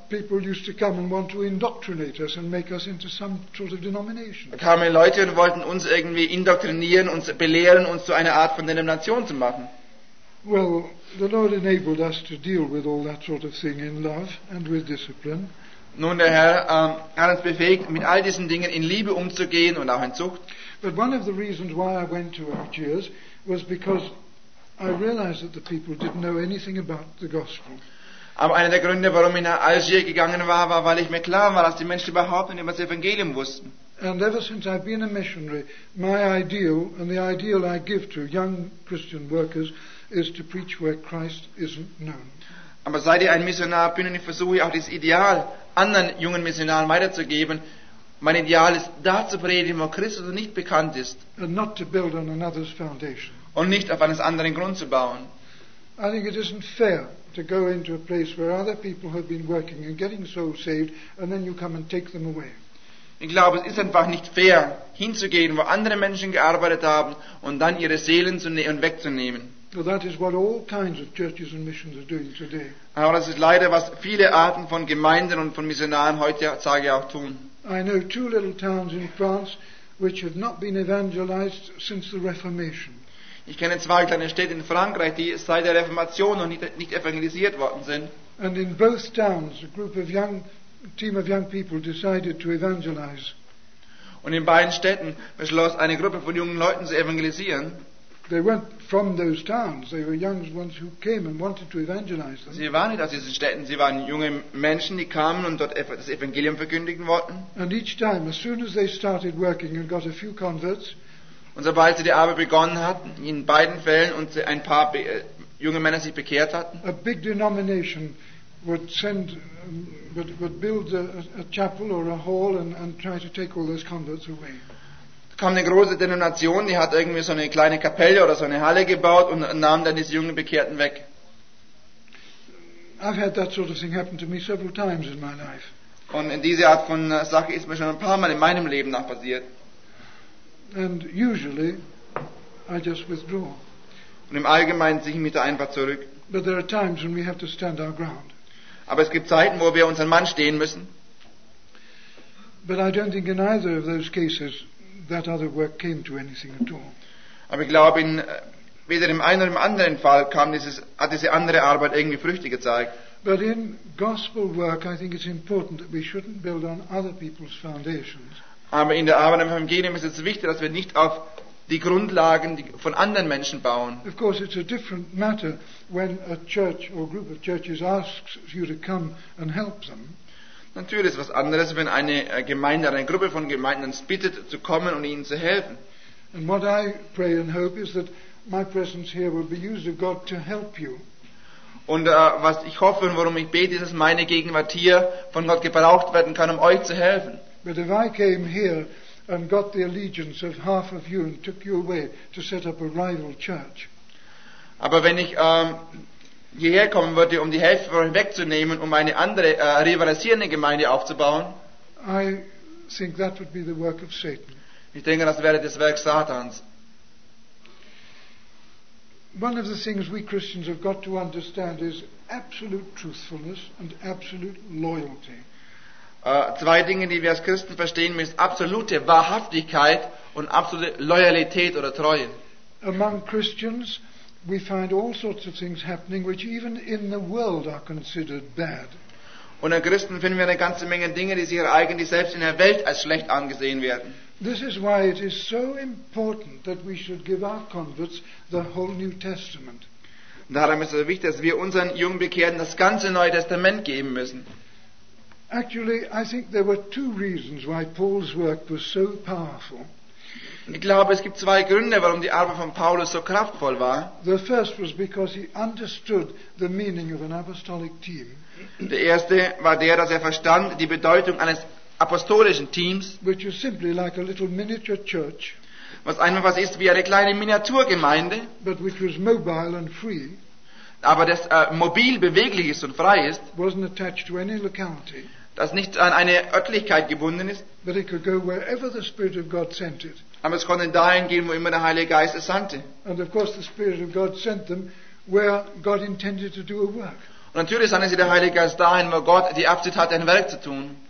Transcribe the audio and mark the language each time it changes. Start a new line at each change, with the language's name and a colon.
English: people used to come and want to indoctrinate us and make us into some sort of denomination.
German: Kamen Leute und wollten uns irgendwie indoktrinieren, uns belehren, uns zu einer Art von Denomination zu machen.
English: Well, the Lord enabled us to deal with all that sort of thing in love and with discipline.
German: Nun, der Herr hat uns befähigt, mit all diesen Dingen in Liebe umzugehen und auch in Zucht.
English: But one of the reasons why I went to Algiers was because I realized that the people didn't know anything about the gospel.
German: Aber einer der Gründe, warum ich nach Algier gegangen war, war, weil ich mir klar war, dass die Menschen überhaupt nicht über das Evangelium wussten.
English: And ever since I've been a missionary, my ideal and the ideal I give to young Christian workers is to preach where Christ isn't known.
German: Aber seit ich ein Missionar bin und ich versuche auch dieses Ideal anderen jungen Missionaren weiterzugeben, mein Ideal ist, da zu predigen, wo Christus nicht bekannt ist.
English: And not to build on another's foundation.
German: Und nicht auf eines anderen Grund zu bauen.
English: I think it isn't fair to go into a place where other people have been working and getting souls saved and then you come and take them away.
German: Ich glaube, es ist einfach nicht fair, hinzugehen, wo andere Menschen gearbeitet haben und dann ihre Seelen zu nehmen und wegzunehmen.
English: So that is what all kinds of churches and missions are doing today.
German: Aber das ist leider, was viele Arten von Gemeinden und von Missionaren heutzutage auch tun.
English: I know two little towns in France which have not been evangelized since the Reformation.
German: Ich kenne zwei kleine Städte in Frankreich, die seit der Reformation noch nicht evangelisiert worden sind.
English: And in both towns a group of young team of young people decided to evangelize.
German: Und in beiden Städten beschloss eine Gruppe von jungen Leuten zu evangelisieren.
English: They weren't from those towns. They were young ones who came and wanted to evangelize them.
German: Sie waren nicht aus diesen Städten. Sie waren junge Menschen, die kamen und dort das Evangelium verkündigen wollten.
English: And each time, as soon as they started working and got a few converts,
German: und sobald sie die Arbeit begonnen hatten, in beiden Fällen und ein paar junge Männer sich bekehrt hatten,
English: a big denomination would send, would build a chapel or a hall and try to take all those converts away.
German: Kam eine große Denomination, die hat irgendwie so eine kleine Kapelle oder so eine Halle gebaut und nahm dann diese jungen Bekehrten weg.
English: I've had that sort of thing happen to me several times in my life.
German: Und in diese Art von Sache ist mir schon ein paar Mal in meinem Leben nach passiert.
English: And usually I just withdraw.
German: Und im Allgemeinen ziehe ich mich da einfach zurück.
English: But there are times when we have to stand our ground.
German: Aber es gibt Zeiten, wo wir unseren Mann stehen müssen.
English: But I don't think in either of those cases that other work came to anything at all.
German: Aber ich glaube, in weder im einen oder im anderen Fall kam dieses, hat diese andere Arbeit irgendwie Früchte gezeigt.
English: But in gospel work, I think it's important that we shouldn't build on other people's foundations.
German: Aber in der Arbeit im Evangelium ist es wichtig, dass wir nicht auf die Grundlagen von anderen Menschen bauen.
English: Of course, it's a different matter when a church or a group of churches asks you to come and help them.
German: Natürlich ist es was anderes, wenn eine Gemeinde oder eine Gruppe von Gemeinden uns bittet, zu kommen und ihnen zu helfen.
English: And what I pray and hope is that my presence here will be used of God to help you.
German: Und was ich hoffe und worum ich bete, ist, dass meine Gegenwart hier von Gott gebraucht werden kann, um euch zu helfen.
English: But if I came here and got the allegiance of half of you and took you away to set up a rival church.
German: Aber wenn ich hierher kommen würde, um die Hälfte von euch wegzunehmen, um eine andere rivalisierende Gemeinde aufzubauen,
English: I think that would be the work of Satan.
German: Ich denke, das wäre das Werk Satans.
English: One of the things we Christians have got to understand is absolute truthfulness and absolute loyalty.
German: Zwei Dinge, die wir als Christen verstehen, ist absolute Wahrhaftigkeit und absolute Loyalität oder Treue.
English: Among Christians we find all sorts of things happening which even in the world are considered bad.
German: Unter Christen finden wir eine ganze Menge Dinge, die sich eigentlich selbst in der Welt als schlecht angesehen werden.
English: This is why it is so important that we should give our converts the whole New Testament.
German: Darum ist es wichtig, dass wir unseren jungen Bekehrten das ganze Neue Testament geben müssen.
English: Actually, I think there were two reasons why Paul's work was so powerful.
German: Ich glaube, es gibt zwei Gründe, warum die Arbeit von Paulus so kraftvoll war.
English: The first was because he understood the meaning of an apostolic team.
German: Der erste war der, dass er verstand die Bedeutung eines apostolischen Teams,
English: which is simply like a little miniature church,
German: was einfach was ist wie eine kleine Miniaturgemeinde,
English: but which was mobile and free,
German: aber das mobil, beweglich ist und frei ist,
English: wasn't attached to any locality,
German: das nicht an eine Örtlichkeit gebunden ist.
English: But it could go wherever the Spirit of God sent it.
German: Aber es konnte dahin gehen, wo immer der Heilige Geist es sandte.
English: And of course the Spirit of God sent them where God intended to do a work.
German: Und natürlich sandte sie der Heilige Geist dahin, wo Gott die Absicht hatte, ein Werk zu tun.